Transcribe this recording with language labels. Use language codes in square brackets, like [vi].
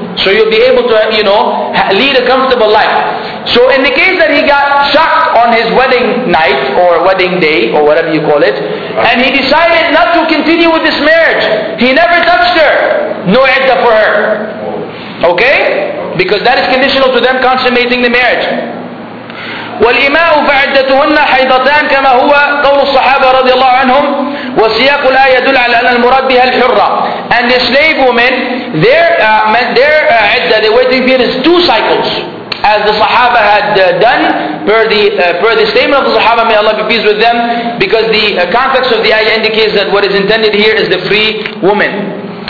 [en] So you'll be able to, you know, lead a comfortable life. So in the case that he got shocked on his wedding night or wedding day or whatever you call it, and he decided not to continue with this marriage, he never touched her, no iddah for her. Okay? Because that is conditional to them consummating the marriage. [ar] والإماء فعدتهن حيضتان كما هو قول الصحابة رضي الله عنهم وسياق الآية يدل على أن المراد بها الحرة. [en] And the slave women, their عدّة, their waiting period is two cycles, as the Sahaba had done per the statement of the Sahaba, may Allah be pleased with them, because the context of the ayah indicates that what is intended here is the free woman.